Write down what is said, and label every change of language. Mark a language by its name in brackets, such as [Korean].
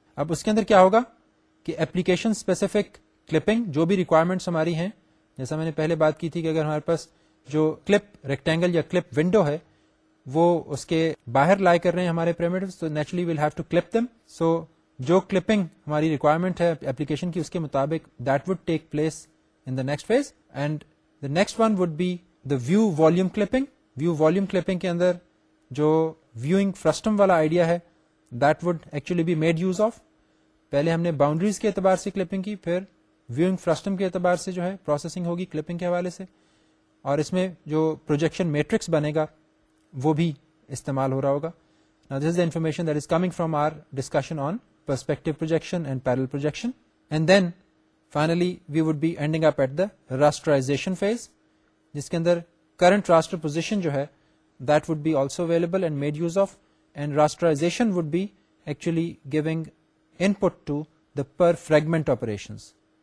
[Urdu] اب اس کے اندر کیا ہوگا کہ اپلیکیشن اسپیسیفک کلپنگ جو بھی ریکوائرمنٹس ہماری ہیں, جیسا میں نے پہلے بات کی تھی کہ اگر ہمارے پاس جو کلپ ریکٹینگل یا کلپ ونڈو ہے وہ اس کے باہر لائے کر رہے ہیں ہمارے پیرامیٹرز, [English] تو naturally we'll have to clip them. [Urdu] سو جو کلپنگ ہماری ریکوائرمنٹ ہے اپلیکیشن کی اس کے مطابق [English] That would take place in the next phase. And the next one would be the view volume clipping. [Urdu] View volume clipping کے اندر جو ویوئنگ فرسٹم والا آئیڈیا ہے [English] That would actually be made use of. [Urdu] پہلے ہم نے باؤنڈریز کے اعتبار سے کلپنگ کی, پھر ویوئنگ فرسٹم کے اعتبار سے جو ہے پروسیسنگ ہوگی کلپنگ کے حوالے سے, اور اس میں جو پروجیکشن میٹرکس بنے گا وہ بھی استعمال ہو رہا ہوگا. [English] Now this is the information that is coming from our discussion on perspective projection and parallel projection. And then finally we would be ending up at the rasterization phase, [Urdu] jiske andar current raster position jo hai [English] that would be also available and made use of. And rasterization would be actually giving input to the per fragment operations.